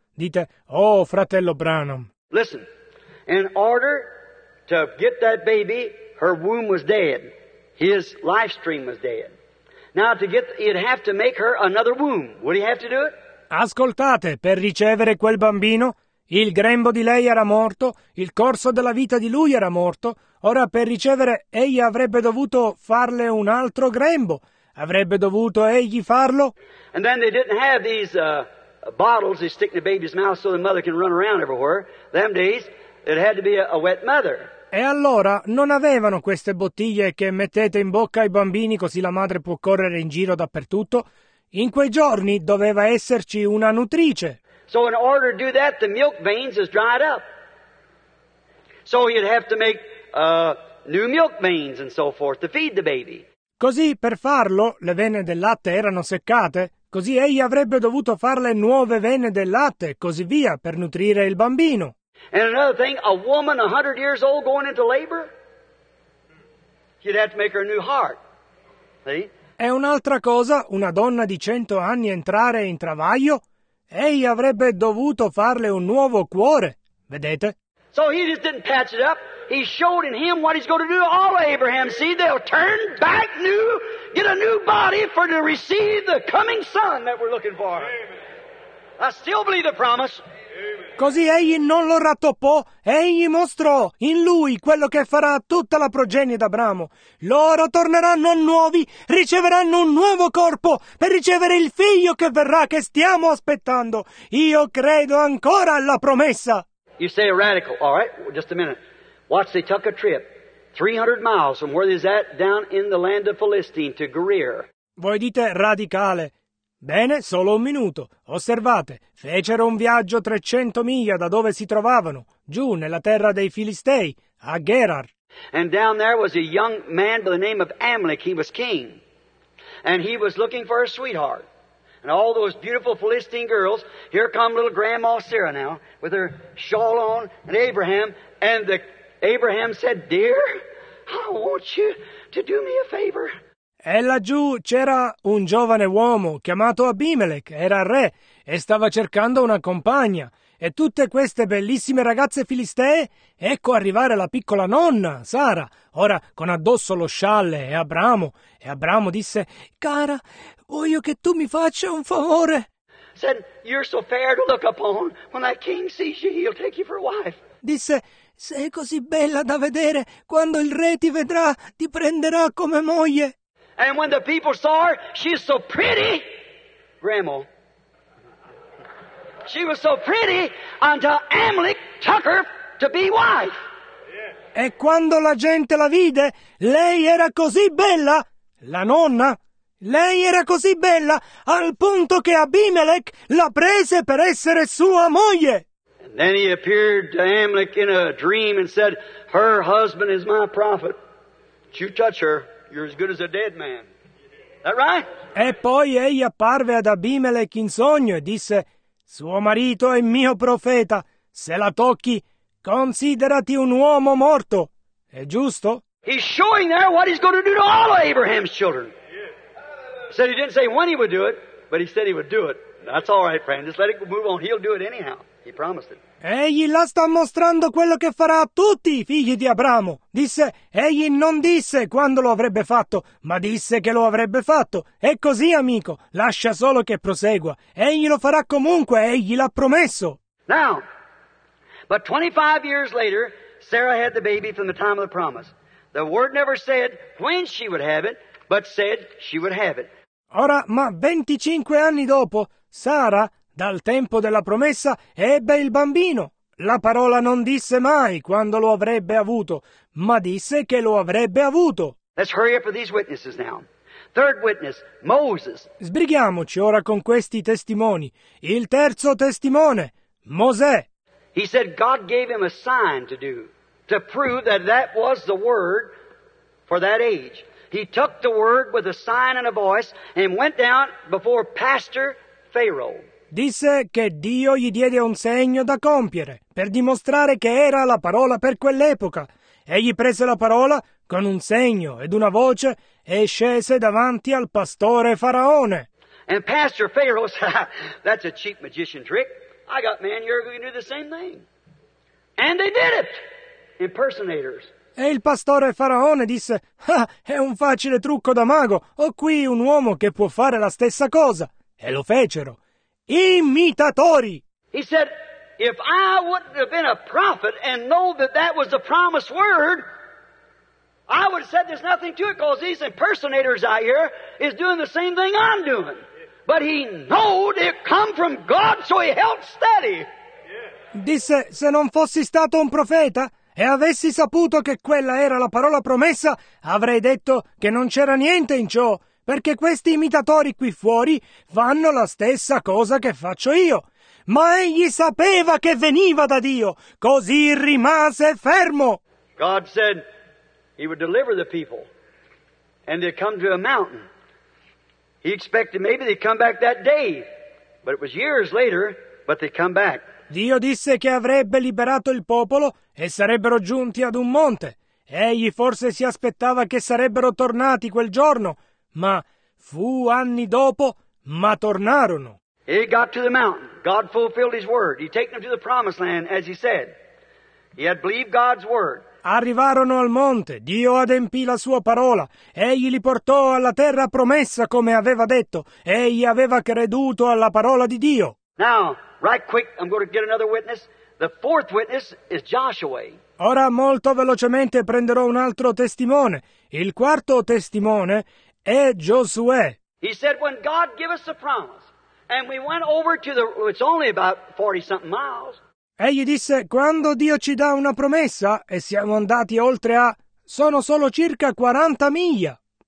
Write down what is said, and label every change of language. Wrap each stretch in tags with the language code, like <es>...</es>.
<it>Dite, oh, fratello Branham.</it> <en>Listen, in order to get that baby, her womb was dead. His life stream was dead. Now, to get, he'd have to make her another womb. Would he have to do it?</en> <it>Ascoltate, per ricevere quel bambino, il grembo di lei era morto, il corso della vita di lui era morto. Ora, per ricevere, egli avrebbe dovuto farle un altro grembo. Avrebbe dovuto egli farlo?</it> <en>And then they didn't have these bottles they stick in the baby's mouth so the mother can run around everywhere. Them days. It had to be a wet mother.</en> <it>E allora non avevano queste bottiglie che mettete in bocca ai bambini così la madre può correre in giro dappertutto. In quei giorni doveva esserci una nutrice.</it> <en>So in order to do that, the milk veins is dried up. So you'd have to make new milk veins and so forth to feed the baby.</en> <it>Così per farlo, le vene del latte erano seccate. Così egli avrebbe dovuto farle nuove vene del latte e così via per nutrire il bambino.</it> <en>And another thing, a woman 100 years old going into labor, you'd have to make her a new heart. See?</en> <it>È un'altra cosa, una donna di 100 anni entrare in travaglio, egli avrebbe dovuto farle un nuovo cuore, vedete?</it> <en>So he just didn't patch it up. He showed in him what he's going to do to all of Abraham's seed. They'll turn back new, get a new body for to receive the coming son that we're looking for. Amen. I still believe the promise.</en> <it>Così egli non lo rattoppò, egli mostrò in lui quello che farà tutta la progenie d'Abramo. Loro torneranno nuovi, riceveranno un nuovo corpo per ricevere il figlio che verrà, che stiamo aspettando. Io credo ancora alla promessa.</it> <en>You say a radical, all right, just a minute. Watch, they took a trip 300 miles from where they're at down in the land of Philistine to Gerar.</en> <it>Voi dite radicale. Bene, solo un minuto. Osservate, fecero un viaggio 300 miglia da dove si trovavano, giù nella terra dei Filistei, a Gerar.</it> <en>And down there was a young man by the name of Amalek. He was king. And he was looking for a sweetheart. And all those beautiful Philistine girls, here come little Grandma Sarah now, with her shawl on, and Abraham, and Abraham said, "Dear, I want you to do me a favor."</en> <it>E laggiù c'era un giovane uomo chiamato Abimelech, era re, e stava cercando una compagna. E tutte queste bellissime ragazze filistee, ecco arrivare la piccola nonna, Sara, ora con addosso lo scialle e Abramo. E Abramo disse, "Cara, voglio che tu mi faccia un favore."</it> <en>Said, "You're so fair to look upon. When that king sees you, he'll take you for a wife."</en> <it>Disse, "Sei così bella da vedere. Quando il re ti vedrà, ti prenderà come moglie."</it> <en>And when the people saw her, she's so pretty, Grandma. She was so pretty until Amalek took her to be wife.</en> <it>E quando la gente la vide, lei era così bella, la nonna. Lei era così bella al punto che Abimelech la prese per essere sua moglie.</it> <en>And then he appeared to Amalek in a dream and said, "Her husband is my prophet. If you touch her, you're as good as a dead man." That right?</en> <it>E poi egli apparve ad Abimelech in sogno e disse, "Suo marito è mio profeta. Se la tocchi, considerati un uomo morto. È giusto?"</it> <en>He's showing there what he's going to do to all of Abraham's children. Said he didn't say when he would do it, but he said he would do it. That's all right, friend. Just let it move on. He'll do it anyhow. He promised it.</en> <it>Egli la sta mostrando quello che farà a tutti i figli di Abramo. Disse, egli non disse quando lo avrebbe fatto, ma disse che lo avrebbe fatto. È così, amico. Lascia solo che prosegua. Egli lo farà comunque, egli l'ha promesso.</it> <en>Now, but 25 years later, Sarah had the baby from the time of the promise. The word never said when she would have it, but said she would have it.</en> <it>Ora, ma 25 anni dopo, Sara, dal tempo della promessa, ebbe il bambino. La parola non disse mai quando lo avrebbe avuto, ma disse che lo avrebbe avuto.</it> <en>Let's hurry up with these witnesses now. Third witness, Moses.</en> <it>Sbrighiamoci ora con questi testimoni. Il terzo testimone, Mosè.</it> <en>He said God gave him a sign to do, to prove that that was the word for that age. He took the word with a sign and a voice and went down before Pastor Pharaoh.</en> <it>Disse che Dio gli diede un segno da compiere, per dimostrare che era la parola per quell'epoca. Egli prese la parola con un segno ed una voce e scese davanti al pastore Faraone.</it> <en>And Pastor Pharaoh said, "That's a cheap magician trick. I got man here who can do the same thing." And they did it! Impersonators.</en> <it>E il pastore Faraone disse, "È un facile trucco da mago. Ho qui un uomo che può fare la stessa cosa." E lo fecero. Imitatori.</it> <en>He said, "If I wouldn't have been a prophet and know that that was the promised word, I would have said there's nothing to it, because these impersonators out here is doing the same thing I'm doing." But he knowed it come from God, so he held steady.</en> <it>Disse, "Se non fossi stato un profeta e avessi saputo che quella era la parola promessa, avrei detto che non c'era niente in ciò, perché questi imitatori qui fuori fanno la stessa cosa che faccio io." Ma egli sapeva che veniva da Dio, così rimase fermo.</it> <en>God said he would deliver the people, and they'd come to a mountain. He expected maybe they'd come back that day, but it was years later, but they'd come back.</en> <it>Dio disse che avrebbe liberato il popolo e sarebbero giunti ad un monte. Egli forse si aspettava che sarebbero tornati quel giorno, ma fu anni dopo, ma tornarono.</it> <en>He got to the mountain. God fulfilled his word. He took them to the promised land, as he said. He had believed God's word.</en> <it>Arrivarono al monte. Dio adempì la sua parola. Egli li portò alla terra promessa, come aveva detto. Egli aveva creduto alla parola di Dio.</it> <en>Now, right quick, I'm going to get another witness. The fourth witness is Joshua.</en> <it>Ora, molto velocemente, prenderò un altro testimone. Il quarto testimone è Giosuè.</it> <en>He said when God gave us the promise and we went over to the, it's only about 40 something miles.</en> <it>Egli disse, quando Dio ci dà una promessa e siamo andati oltre a, sono solo circa 40 miglia.</it>